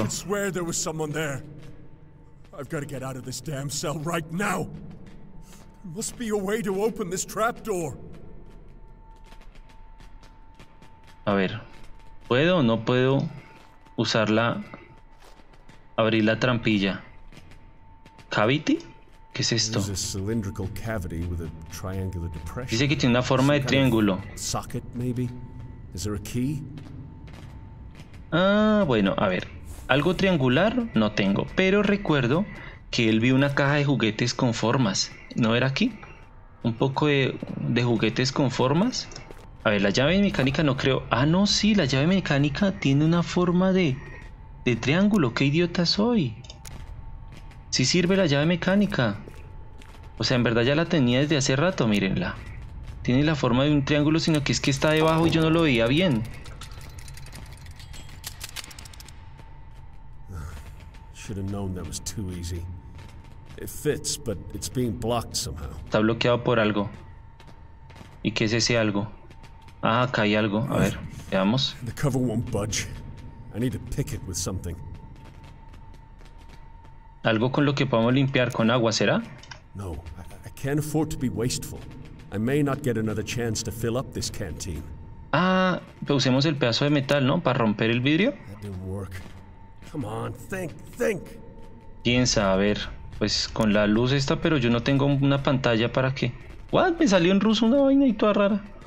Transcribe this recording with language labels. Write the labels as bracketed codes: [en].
[en] I can swear there was someone there. I've got to get out of this damn cell right now. There must be a way to open this trap door. [es] A ver, ¿puedo o no puedo usarla? Abrir la trampilla. ¿Cavity? ¿Qué es esto? [en] It's a cylindrical cavity with a triangular depression. [es] Dice que tiene una forma de triángulo. [en] Socket, maybe? Is there a key? [es] Ah, bueno, a ver. Algo triangular no tengo, pero recuerdo que él vio una caja de juguetes con formas. ¿No era aquí? Un poco de juguetes con formas. A ver, la llave mecánica no creo. Ah, no, sí, la llave mecánica tiene una forma de triángulo. ¡Qué idiota soy! Sí sirve la llave mecánica. O sea, en verdad ya la tenía desde hace rato, mírenla. Tiene la forma de un triángulo, sino que es que está debajo y yo no lo veía bien. [en] Should have known that was too easy. It fits, but it's being blocked somehow. [es] Está bloqueado por algo. ¿Y qué es ese algo? Ah, acá hay algo. A ver, veamos. [en] The cover won't budge. I need to pick it with something. [es] Algo con lo que podamos limpiar con agua, ¿será? [en] No, I can't afford to be wasteful. I may not get another chance to fill up this canteen. [es] Ah, usemos el pedazo de metal, ¿no? Para romper el vidrio. [en] That didn't work. Come on, think. [es] Piensa, a ver, pues con la luz esta, pero yo no tengo una pantalla para qué. [en] What? [es] Me salió en ruso una vaina y toda rara.